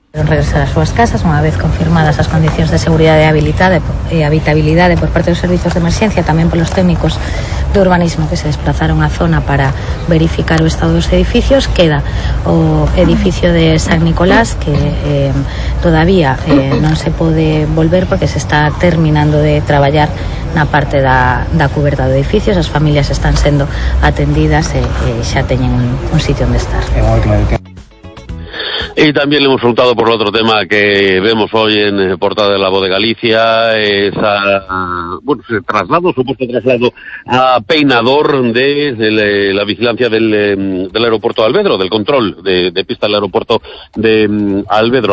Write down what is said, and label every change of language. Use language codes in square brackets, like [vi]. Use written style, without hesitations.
[es] Regresar a sus casas una vez confirmadas las condiciones de seguridad y habitabilidad por parte de los servicios de emergencia, también por los técnicos de urbanismo que se desplazaron a zona para verificar el estado de los edificios. [gl] Queda o edificio de San Nicolás, [es] que todavía no se puede volver porque se está terminando de [gl] traballar na parte da cuberta do edificio. As familias están sendo atendidas e xa teñen un sitio onde estar. [es] Y también le hemos preguntado por el otro tema que vemos hoy en portada de La Voz de Galicia, ese traslado, supuesto traslado a Peinador de la vigilancia del aeropuerto de Alvedro, del control de pista del aeropuerto de Alvedro.